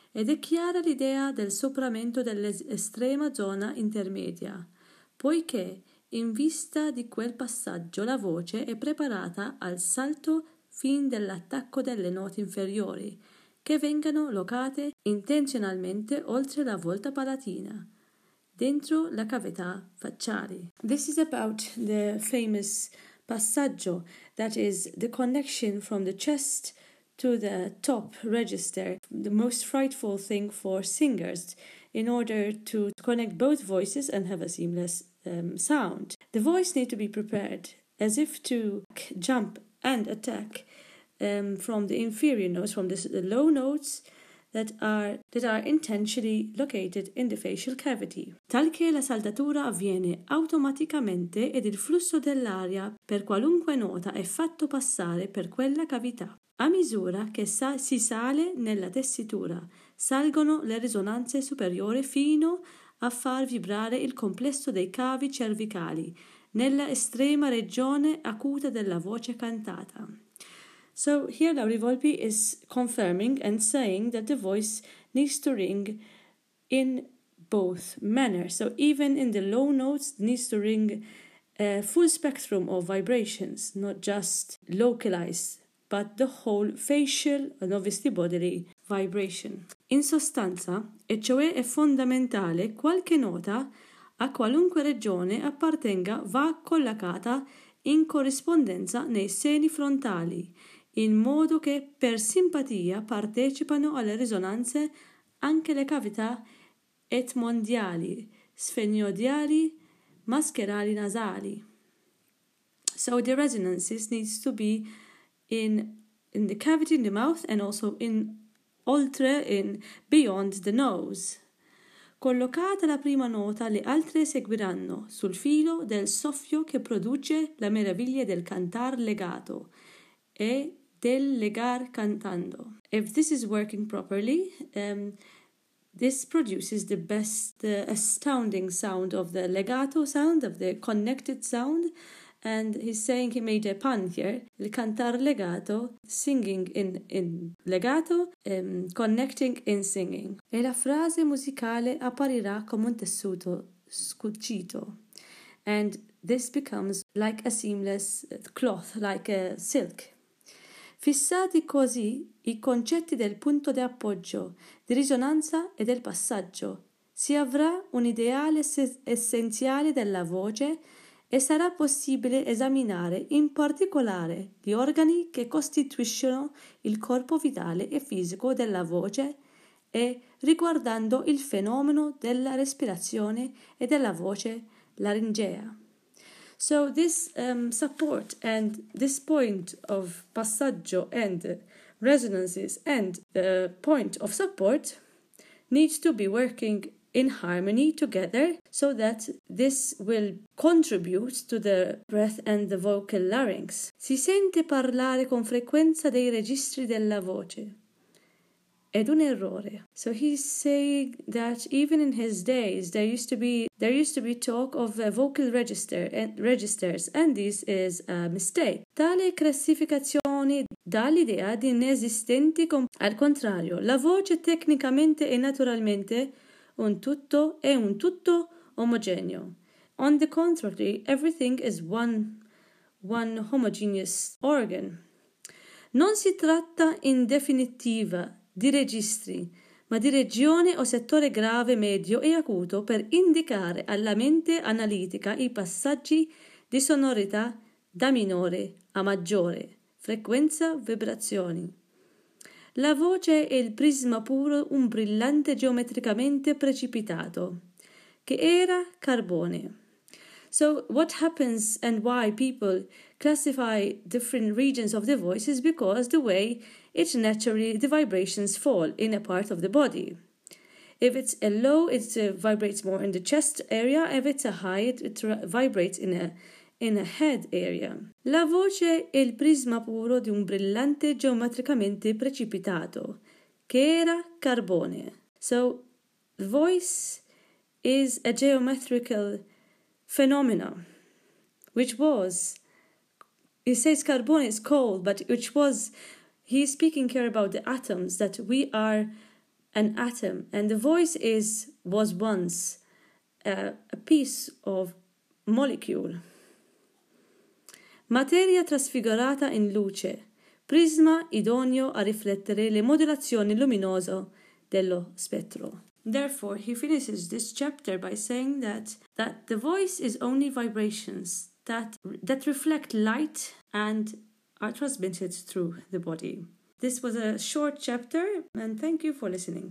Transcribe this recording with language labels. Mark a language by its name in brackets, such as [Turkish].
[Italian] Ed è chiara l'idea del superamento dell'estrema zona intermedia, poiché, in vista di quel passaggio, la voce è preparata al salto fin dell'attacco delle note inferiori, che vengano locate intenzionalmente oltre la volta palatina, dentro la cavità facciale. [English] This is about the famous passaggio, that is the connection from the chest to the top register, the most frightful thing for singers, in order to connect both voices and have a seamless sound. The voice needs to be prepared as if to jump and attack from the inferior notes, from the low notes that are intentionally located in the facial cavity. [Italian] Talché la saldatura avviene automaticamente ed il flusso dell'aria per qualunque nota è fatto passare per quella cavità. A misura che si sale nella tessitura, salgono le risonanze superiori fino a far vibrare il complesso dei cavi cervicali nella estrema regione acuta della voce cantata. [English] So here Lauri Volpi is confirming and saying that the voice needs to ring in both manners. So even in the low notes needs to ring a full spectrum of vibrations, not just localized, but the whole facial and obviously bodily vibration. [Italian] In sostanza, e cioè è fondamentale, qualche nota a qualunque regione appartenga va collocata in corrispondenza nei seni frontali, in modo che per simpatia partecipano alle risonanze anche le cavità etmoidali, sfenoidali, mascherali nasali. [English] So the resonances needs to be in the cavity in the mouth and also in [Italian] oltre, [English] in beyond the nose. [Italian] Collocata la prima nota, le altre seguiranno sul filo del soffio che produce la meraviglia del cantar legato e del legar cantando. [English] If this is working properly, this produces the best, the astounding sound of the legato sound, of the connected sound. And he's saying, he made a pun here, [Italian] il cantar legato, [English] singing in legato, connecting in singing. [Italian] E la frase musicale apparirà come un tessuto scucito. [English] And this becomes like a seamless cloth, like a silk. [Italian] Fissati così i concetti del punto di appoggio, di risonanza e del passaggio, si avrà un ideale essenziale della voce e sarà possibile esaminare in particolare gli organi che costituiscono il corpo vitale e fisico della voce e riguardando il fenomeno della respirazione e della voce laringea. [English] So this support and this point of passaggio and resonances and the point of support needs to be working in harmony together so that this will contribute to the breath and the vocal larynx. [Italian] Si sente parlare con frequenza dei registri della voce. Ed un errore. [English] So he's saying that even in his days there used to be talk of vocal registers, and this is a mistake. [Italian] Tale classificazione dà l'idea di inesistenti. Al contrario, la voce tecnicamente e naturalmente un tutto è un tutto omogeneo. [English] On the contrary, everything is one homogeneous organ. [Italian] Non si tratta in definitiva di registri, ma di regione o settore grave, medio e acuto per indicare alla mente analitica i passaggi di sonorità da minore a maggiore, frequenza, vibrazioni. La voce è il prisma puro, un brillante geometricamente precipitato, che era carbone. [English] So what happens and why people classify different regions of the voice is because the way it naturally, the vibrations fall in a part of the body. If it's a low, it vibrates more in the chest area. If it's a high, it vibrates in a head area. [Italian] La voce è il prisma puro di un brillante geometricamente precipitato, che era carbone. [English] So, voice is a geometrical phenomena, which was, he says carbone is cold, but which was, he's speaking here about the atoms, that we are an atom, and the voice was once a piece of molecule. [Italian] Materia trasfigurata in luce, prisma idoneo a riflettere le modulazioni luminoso dello spettro. [English] Therefore, he finishes this chapter by saying that the voice is only vibrations that reflect light and are transmitted through the body. This was a short chapter, and thank you for listening.